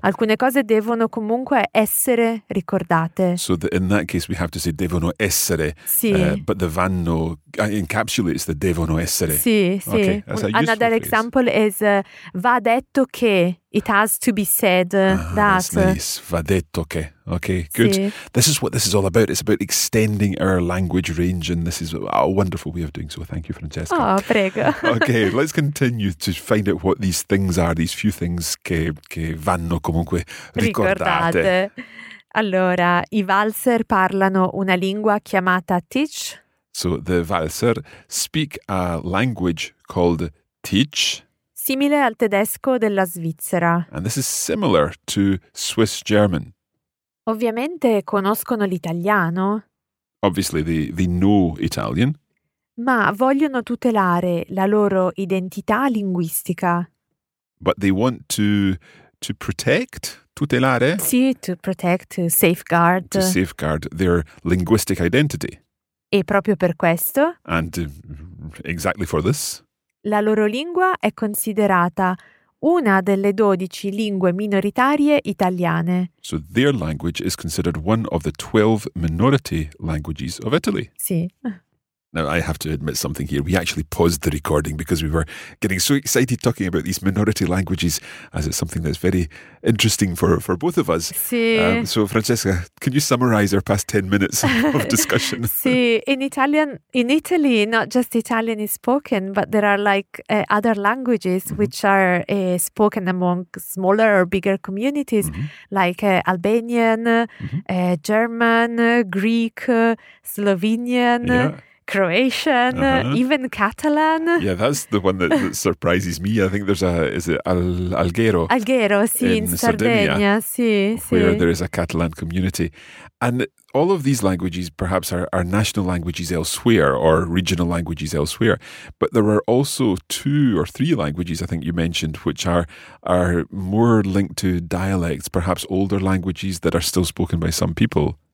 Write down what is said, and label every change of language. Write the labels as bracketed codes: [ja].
[it] Alcune cose devono comunque essere ricordate. [en] So in that case we have to say devono essere, [it] sì. [en] But the vanno encapsulates the devono essere. [it] Sì, sì. [en] Okay. That's a Another example phrase. Is [it] va detto che, [en] it has to be said that. That's nice. [it] Va detto che. [en] Okay, good. [it] Sì. [en] This is what this is all about. It's about extending our language range, and this is a wonderful way of doing so. Thank you, Francesca. [it] Oh, prego. [en] Okay, let's continue to find out what these things are, these few things [it] che vanno comunque ricordate. Allora, i valzer parlano una lingua chiamata Tich. [en] So the valzer speak a language called Tich. [it] Simile al tedesco della Svizzera. [en] And this is similar to Swiss German. [it] Ovviamente conoscono l'italiano. [en] Obviously they know Italian. [it] Ma vogliono tutelare la loro identità linguistica. [en] But they want to protect, tutelare? Sì, to protect, to safeguard. To safeguard their linguistic identity. [it] E proprio per questo? [en] And exactly for this? [it] La loro lingua è considerata una delle 12 lingue minoritarie italiane. [en] So their language is considered one of the 12 minority languages of Italy. [it] Sì. [en] Now I have to admit something here. We actually paused the recording because we were getting so excited talking about these minority languages as it's something that's very interesting for both of us. [it] Sì. [en] So Francesca, can you summarize our past 10 minutes of discussion? Sì, in Italy, not just Italian is spoken, but there are like other languages mm-hmm. which are spoken among smaller or bigger communities mm-hmm. like Albanian, mm-hmm. German, Greek, Slovenian. Yeah. Croatian, uh-huh. even Catalan. Yeah, that's the one that surprises me. I think there's Alghero? [it] Alghero, sì, in Sardegna, sì. [en] Where there is a Catalan community. And all of these languages perhaps are national languages elsewhere or regional languages elsewhere. But there are also two or three languages, I think you mentioned, which are more linked to dialects, perhaps older languages that are still spoken by some people.